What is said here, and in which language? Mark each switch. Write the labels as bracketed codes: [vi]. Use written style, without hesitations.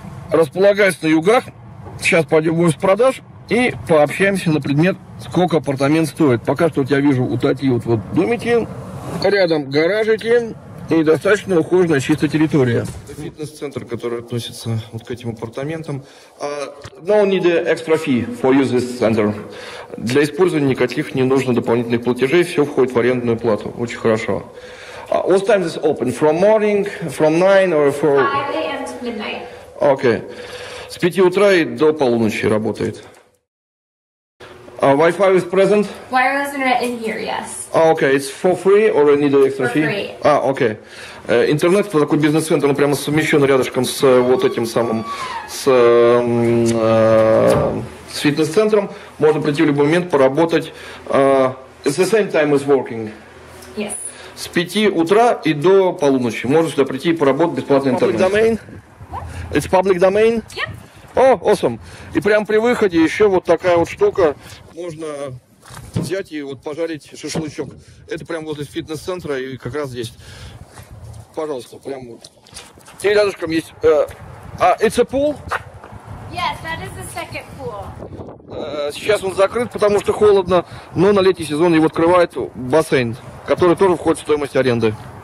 [ru] Располагается на югах. Сейчас пойдем в продаж и пообщаемся на предмет, сколько апартамент стоит. Пока что вот я вижу у Тати вот домики, рядом гаражики и достаточно ухоженная чистая территория. Это фитнес-центр, который относится вот к этим апартаментам. [en] No need extra fee for use this center. [ru] Для использования никаких не нужно дополнительных платежей, все входит в арендную плату. Очень хорошо. [en] What time is open? From morning, from 9 or for... 5 a.m. to midnight. Okay. [ru] С 5 утра и до полуночи работает. [en] Wi-Fi is present? Wireless internet in here, yes. Okay, it's for free or you need an extra fee? For free. Okay. [ru] Интернет, это такой бизнес-центр, он прямо совмещен рядышком с вот этим самым, с фитнес-центром. Можно прийти в любой момент, поработать. [en] It's the same time as working. Yes. [ru] С 5 утра и до полуночи. Можно сюда прийти и поработать, бесплатный интернет. [en] Public domain? What? It's public domain? Yep. О, awesome. [ru] И прямо при выходе еще вот такая вот штука. Можно взять и вот пожарить шашлычок. Это прямо возле фитнес-центра и как раз здесь. Пожалуйста, прямо вот. И рядышком есть... [en] it's a pool? [ru] Yes, that is the second pool. Сейчас он закрыт, потому что холодно, но на летний сезон его открывает бассейн, который тоже входит в стоимость аренды.